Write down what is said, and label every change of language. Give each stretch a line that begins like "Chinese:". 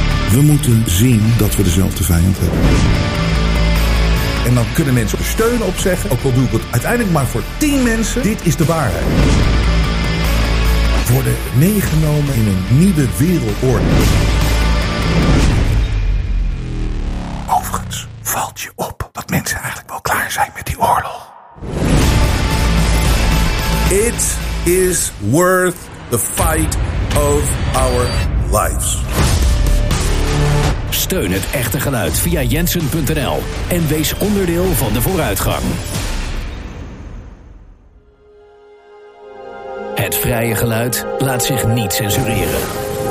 Dutch: We moeten zien dat we dezelfde vijand hebben. En dan kunnen mensen er steun op zeggen, ook al doe ik het uiteindelijk maar voor 10 mensen. Dit is de waarheid. worden meegenomen in een nieuwe wereldorde. Overigens valt je op dat mensen eigenlijk wel klaar zijn met die oorlog.
English: It is worth the fight of our lives.
Dutch: Steun het echte geluid via Jensen.nl en wees onderdeel van de vooruitgang. Het vrije geluid laat zich niet censureren.